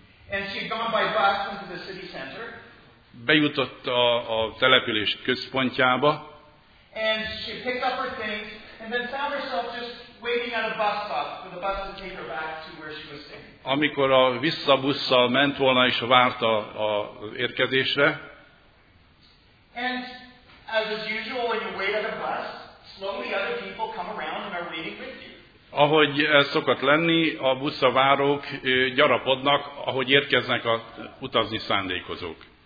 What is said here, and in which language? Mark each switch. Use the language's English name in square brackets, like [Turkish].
[English] And she had gone by bus into the city center. [Hungarian] Bejutott a település központjába. [English] And she picked up her things and then found herself just waiting at a bus stop for the bus to take her back to where she was staying. [Hungarian] Amikor a visszabusszal ment volna és várta az érkezésre. [English] And as is usual when you wait at a bus, slowly other people come around and are waiting with you. [Hungarian] Ahogy ez szokott lenni, a buszavárók gyarapodnak, ahogy érkeznek a utazni szándékozók.